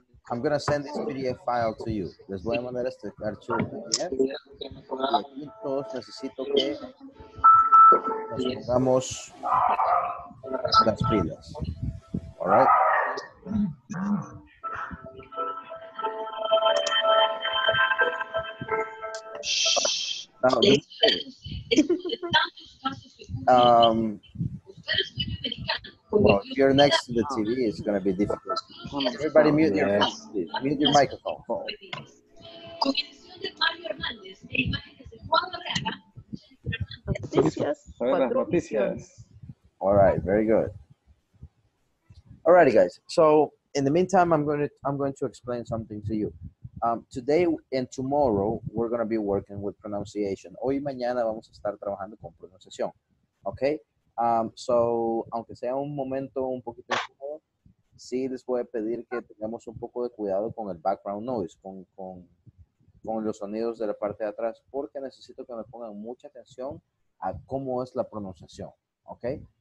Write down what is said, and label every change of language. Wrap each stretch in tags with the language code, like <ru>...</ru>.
<en>I'm going to send this PDF file to you.</en> <es>Les voy a mandar este archivo PDF. Y aquí todos necesito que nos pongamos las pilas.</es> <en>All right? Well, if you're next to the TV, it's going to be difficult. Everybody mute your mic, please. Mute your microphone. Oh. All right, very good. All righty, guys. So in the meantime, I'm going to explain something to you. Today and tomorrow, we're going to be working with pronunciation.</en> <es>Hoy y mañana vamos a estar trabajando con pronunciación. Okay? So, aunque sea un momento un poquito incómodo, sí les voy a pedir que tengamos un poco de cuidado con el background noise, con los sonidos de la parte de atrás, porque necesito que me pongan mucha atención a cómo es la pronunciación, ¿ok?</es>